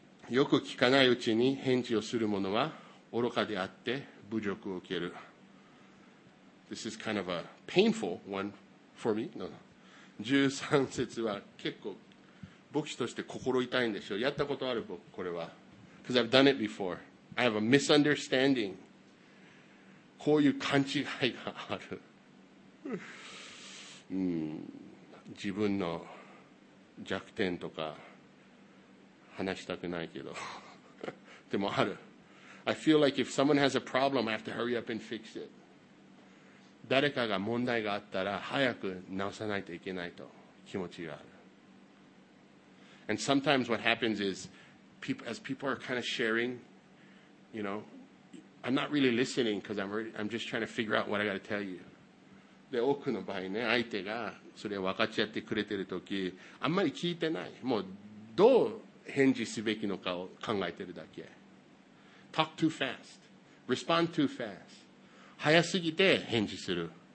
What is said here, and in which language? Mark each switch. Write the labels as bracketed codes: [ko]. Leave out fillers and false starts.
[ja] よく聞かないうちに返事をする者は、愚かであって侮辱を受ける。 [en] This is kind of a painful one for me. No, no. [ja] 13節は結構牧師として心痛いんでしょう。やったことある僕これは。 [en] Because I've done it before. I have a misunderstanding. [ja] こういう勘違いがある。自分の弱点とか話したくないけど。でもある。 [en] I feel like if someone has a problem, I have to hurry up and fix it. [ja] 誰かが問題があったら早く直さないといけないと気持ちがある。 [en] And sometimes what happens is, as people are kind of sharing, you know, I'm not really listening because I'm just trying to figure out what I got to tell you. [ja] で、多くの場合ね、相手がそれを分かち合ってくれてるとき、あんまり聞いてない。もうどう返事すべきのかを考えてるだけ。 [en] Talk too fast. Respond too fast. [ja] 早すぎて返事する。